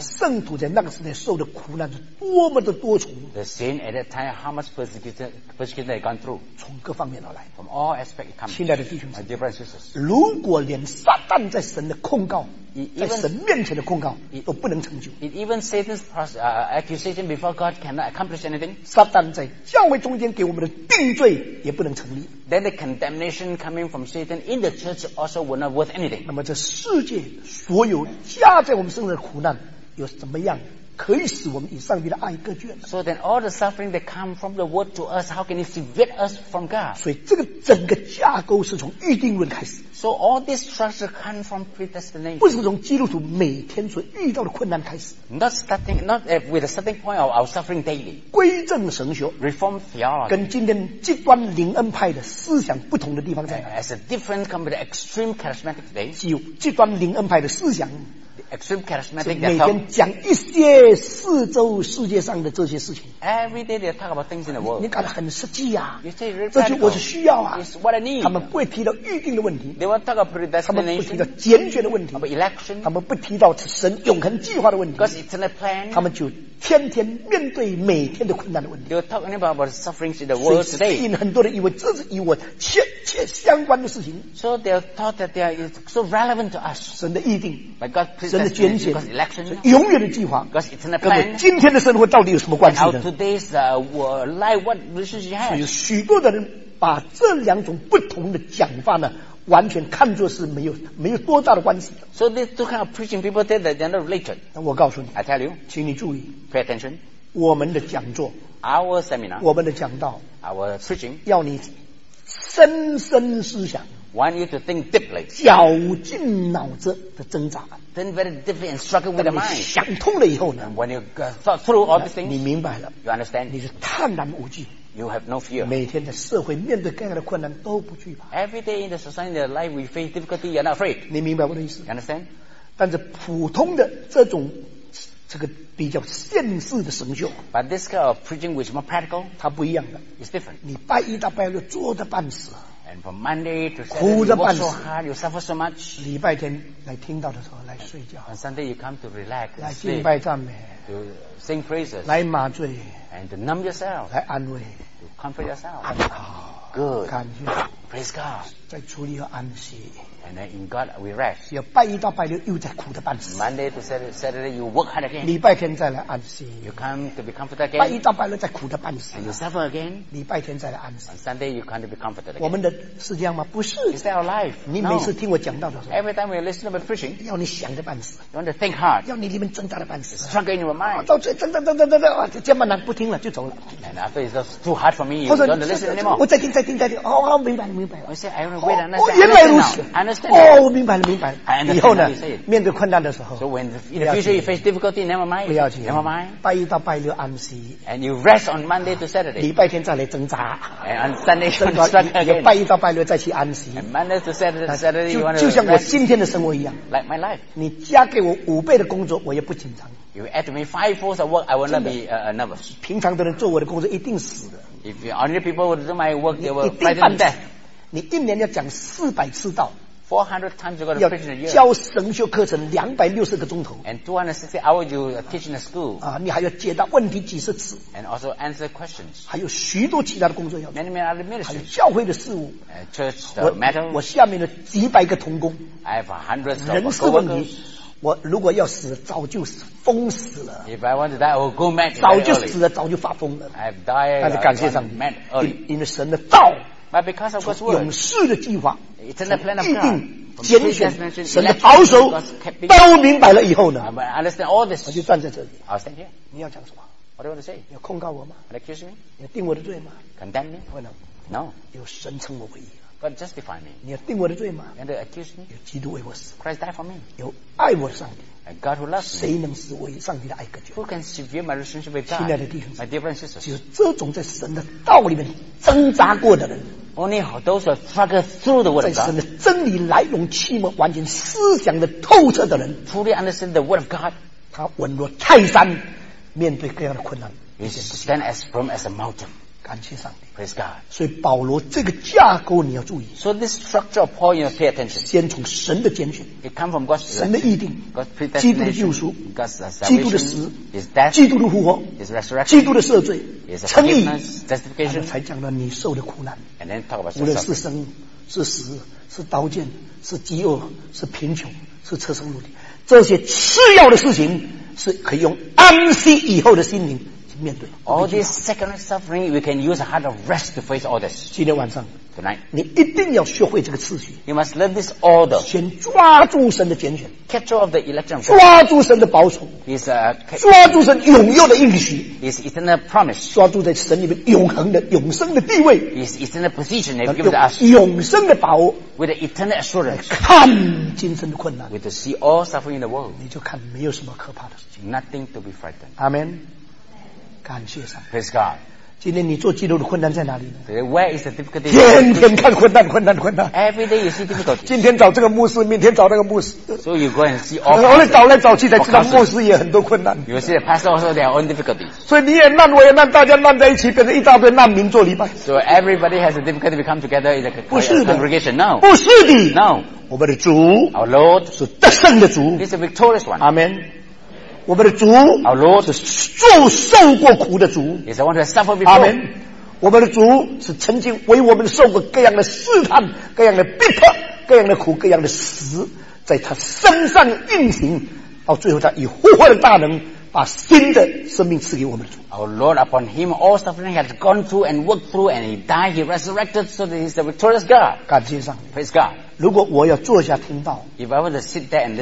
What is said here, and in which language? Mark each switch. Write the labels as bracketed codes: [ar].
[zh] 圣徒在那个时代受的苦难是多么的多重 [en] The saint at that time how much persecution they gone through [zh] 从各方面而来 [en] from all aspects it comes [zh] 亲爱的弟兄们 [en] My dear brothers and sisters [zh] 如果连撒旦在神的控告在神面前的控告都不能成就 [en] even Satan's accusation before God cannot accomplish anything [zh] 撒旦在教会中间给我们的定罪也不能成立 [en] then the condemnation coming from Satan in the church also were not worth anything [zh] 那么这世界所有加在我们身上的苦难有什么样可以使我们与上帝的爱隔绝 [en] so then all the suffering that come from the world to us how can it sever us from God [zh] 所以这个整个架构是从预定论开始 [en] so all this structure comes from predestination [zh] 不是从基督徒每天所遇到的困难开始 [en] not with the starting point of our suffering daily [zh] 归正神学 [en] reform theology [zh] 跟今天极端灵恩派的思想不同的地方在哪 [en] as a different kind of extreme charismatic today [zh] 只有极端灵恩派的思想 [en] Extreme charismatic [zh] 每天讲一些四周世界上的这些事情 [en] Every day they talk about things in the world [zh] 你感到很实际啊 [en] you say really [zh] 这就我是需要啊 [en] It's what I need [zh] 他们不会提到预定的问题 [en] They won't talk about predestination [zh] 他们不提到拣选的问题 [en] about election [zh] 他们不提到神永恒计划的问题 [en] Because it's in the plan [zh] 他们就天天面对每天的困难的问题 [en] They were talking about sufferings in the world today [zh] 所以吸引很多人以为这是与我切切相关的事情 [en] So they thought that they are so relevant to us [zh] 神的预定 [en] But God predestination [zh] 神的拣选永远的计划跟我们今天的生活到底有什么关系呢 [en] today's, life, what relationship has? [zh] 所以许多的人把这两种不同的讲法呢完全看作是没有多大的关系的 [en] so these two kind of preaching people say that they're not related [zh] 那我告诉你 [en] I tell you, [zh] 请你注意 [en] pay attention [zh] 我们的讲座 [en] our seminar [zh] 我们的讲道 [en] our preaching [zh] 要你深深思想 [en] want you to think deeply [zh] 绞尽脑子的挣扎 [en] Then very difficult and struggle with the mind. [zh] 想通了以后呢 [en] ？When you thought through all these things, [zh] 你明白了 [en] ？You understand? [zh] 你是坦然无惧 [en] ？You have no fear. [zh] 每天在社会面对各样的困难都不惧怕。 [en] Every day in the society, the life we face difficulty, you're not afraid. [zh] 你明白我的意思 [en] ？You understand? [zh] 但是普通的这种这个比较现世的神学 [en] ，But this kind of preaching which is more practical, [zh] 它不一样的 [en] ，It's different. [zh] 你拜一到拜六坐得半死。 [en] And from Monday to Saturday, you work so hard, you suffer so much. [zh] 礼拜天来听到的时候来睡觉。 [en] On Sunday, you come to relax. [zh] 来敬拜赞美。 [en] To sing praises. [zh] 来麻醉。 [en] And to numb yourself. [zh] 来安慰。 [en] To comfort yourself. [zh] 安好。 [en] Good. [zh] 感谢。 [en] Praise God. [zh] 在主里有安息。 [en] And then in God we rest. [zh] 要拜一到拜六又在苦的半死。 [en] Monday to Saturday, you work hard again. [zh] 礼拜天再来安息。 [en] You come to be comforted again. [zh] 拜一到拜六在苦的半死。 [en] And you suffer again. [zh] 礼拜天再来安息。 [en] On Sunday you come to be comforted again. [zh] 我们的是这样吗？不是。 [en] Is that our life? [zh] 你每次听我讲道的时候。 [en] No. Every time we listen to my preaching. [zh] 要你想的半死。 [en] You want to think hard. [zh] 要你里面挣扎的半死。 [en] Struggle in your mind. [zh] 到最挣扎，哇，肩膀难不听了就走了。 [en] And after it's just too hard for me, you don't listen anymore. [zh] 我再听，哦，明白。 [en] I say I want to wait and listen. [zh] 原来如此。哦，明白了。以后呢，面对困难的时候 [en] ，So when in the future you face difficulty, never mind. [zh] 不要紧 [en] ，Never mind. [zh] 拜一到拜六安息 [en] ，And you rest on Monday to Saturday. [zh] 礼拜天再来挣扎 [en] ，And on Sunday you struggle again. [zh] 也拜一到拜六再去安息 [en] ，And Monday to Saturday, [zh] 就像我今天的生活一样 [en] ，Like my life. [zh] 你加给我五倍的工作，我也不紧张。 [en] You add to me fivefold of work, I will not be nervous. [zh] 平常的人做我的工作一定死的。 [en] If ordinary people would do my work, they will fight and die. [zh] 你一年要讲400次道。 [en] 400 times you got to preach in a year. [zh] 教神学课程260个钟头。 [en] And 260 hours you teach in a school. [zh] 你还要解答问题几十次。 [en] And also answer questions. [zh] 还有许多其他的工作要做。 [en] Many other ministries. [zh] 还有教会的事务。 [en] Church matter. [zh] 我下面的几百个同工。 [en] I have hundreds of co-workers. [zh] 我如果要死早就疯死了 [en] If I want to die, I will go mad [zh] 早就死了早就发疯了 [en] I've died, [zh] 但是感谢上帝因为神的道 [en] But because of God's word, [zh] 永世的计划 [en] It's in the plan of God [zh] 预定拣选神的保守都明白了以后呢 [en] I understand all this. [zh] 我就站在这里 [en] I'll stand here. [zh] 你要讲什么 [en] What do you want to say? [zh] 你要控告我吗 [en] Are you accusing me? [zh] 你要定我的罪吗 [en] Condemn me? Why not? No. [zh] 有神称我为义 [en] God justify me. [zh] 你要定我的罪吗 [en] And accuse me? [zh] 有基督为我死 [en] Christ died for me. [zh] 有爱我的上帝 [en] And God who loves me. [zh] 谁能使我与上帝的爱隔绝 [en] Who can severe my relationship with God? [zh] 亲爱的弟兄 [en] My dear brothers and sisters. [zh] 只有这种在神的道里面挣扎过的人 [en] Only those who struggle through the word of God. [zh] 在神的真理来龙去脉完全思想的透彻的人 [en] Fully understand the word of God. [zh] 他稳若泰山面对各样的困难 [en] He stand as firm as a mountain. [zh] 感谢上帝 [en] Praise God. [zh] 所以保罗这个架构你要注意。 [en] So this structure of Paul, you have to pay attention. [zh] 先从神的拣选。 [en] It comes from God's election. [zh] 神的预定。 [en] God's predestination. [zh] 基督的救赎。 [en] God's salvation. [zh] 基督的死。 [en] His death. [zh] 基督的复活。 [en] His resurrection. [zh] 基督的赦罪。 [en] His [zh] 称义。 [en] Justification. [zh] 才讲到你受的苦难。 [en] And then talk about your suffering. [zh] 无论是生是死是刀剑是饥饿是贫穷是赤身裸体这些次要的事情是可以用安息以后的心灵面对 [en] all this secondary suffering, we can use a heart of rest to face all this. [zh] 今天晚上 [en] tonight, [zh] 你一定要学会这个次序 [en] You must learn this order. [zh] 先抓住神的拣选 [en] catch all of the election. [zh] 抓住神的保守 [en] is [zh] 抓住神永有的应许 [en] is eternal promise. [zh] 抓住在神里面永恒的永生的地位 [en] is eternal position that gives us [zh] 永生的把握 [en] with eternal assurance. [zh] 看今生的困难 [en] with to see all suffering in the world. [zh] 你就看没有什么可怕的事情 [en] nothing to be frightened. [zh] Amen. 感谢上帝 [en] Praise God [zh] 今天你做基督的困难在哪里呢 [en] Where is the difficulty [zh] 天天看困难困难困难 [en] Every day you see difficulty [zh] 今天找这个牧师明天找那个牧师 [en] So you go and see all [zh] 我们找来找去才知道牧师也很多困难 [en] You see the pastor also their own difficulty [zh] 所以你也难我也难大家难在一起变成一大堆难民做礼拜 [en] So everybody has a difficulty to come together in a congregation [zh] 不是的不是的 [en] No [zh] 我们的主 [en] Our Lord [zh] 是得胜的主 [en] He's a victorious one [zh] Amen我们的主 [en] Our Lord, [zh] 是受受过苦的主 [en] is the one who has suffered before. Amen. [zh] 我们的主是曾经为我们受过各样的试探各样的逼迫各样的苦各样的死在他身上运行到最后他以复活的大能把新的生命赐给我们的主 [en] Our Lord upon him all suffering has gone through and worked through and he died he resurrected so that he is the victorious God [zh] 感谢上帝 [en] Praise God [zh] 如果我要坐下听道 [en] If I were to sit there and listen